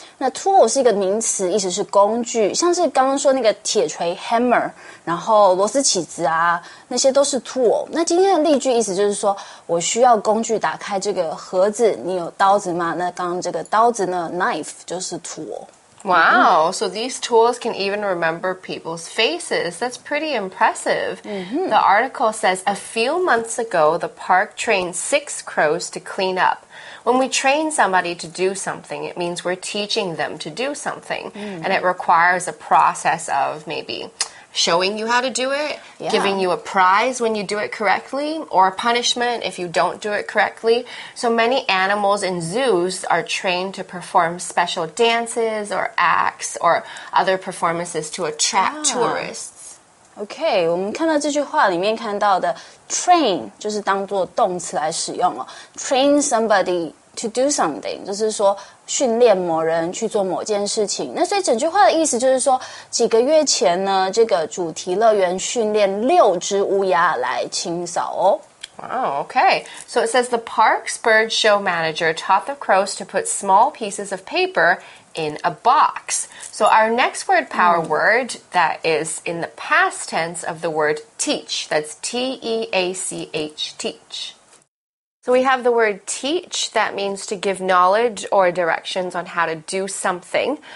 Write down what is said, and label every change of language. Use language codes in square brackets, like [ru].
[zh] 那 tool 是一个名词，意思是工具，像是刚刚说那个铁锤 hammer， 然后螺丝起子啊，那些都是 tool。那今天的例句意思就是说我需要工具打开这个盒子，你有刀子吗？那刚刚这个刀子呢 ，knife 就是 tool。 [en] Wow, so these tools can even remember people's faces. That's pretty impressive. Mm-hmm. The article says, a few months ago, the park trained 6 crows to clean up. When we train somebody to do something, it means we're teaching them to do something. Mm-hmm. And it requires a process of maybe... showing you how to do it, giving you a prize when you do it correctly, or a punishment if you don't do it correctly. So many animals in zoos are trained to perform special dances or acts or other performances to attract tourists. [zh] Okay, 我们看到这句话里面看到的 train 就是当作动词来使用了 [en] train somebody to do something, [zh] 就是说训练某人去做某件事情。那所以整句话的意思就是说，几个月前呢，这个主题乐园训练六只乌鸦来清扫哦。 [en] Wow, okay. So it says the park's bird show manager taught the crows to put small pieces of paper in a box. So our next word power word that is in the past tense of the word teach. That's T-E-A-C-H, teach. So we have the word teach, that means to give knowledge or directions on how to do something.